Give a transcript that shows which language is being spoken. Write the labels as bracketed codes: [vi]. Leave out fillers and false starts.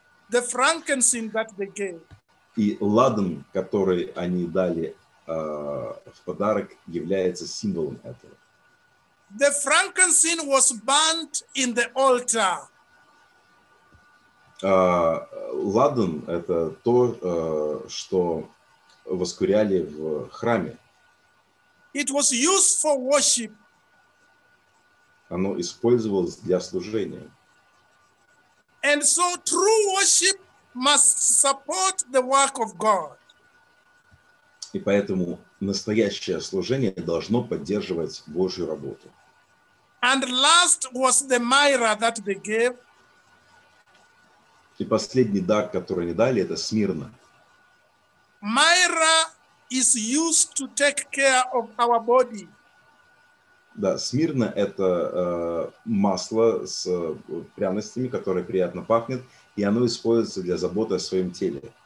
[en] The frankincense that they gave. [ru] И ладан, который они дали в подарок, является символом этого. [en] The frankincense was burnt in the altar. [ru] Ладан – это то, что воскуряли в храме. [en] It was used for worship. [ru] Оно использовалось для служения. [en] And so true worship must support the work of God. [ru] И поэтому настоящее служение должно поддерживать Божью работу. [en] And last was the myrrh that they gave. [ru] И последний дар, который они дали, это смирна. [en] Myrrh is used to take care of our body. [ru] Да, смирна – это масло с пряностями, которое приятно пахнет, и оно используется для заботы о своем теле.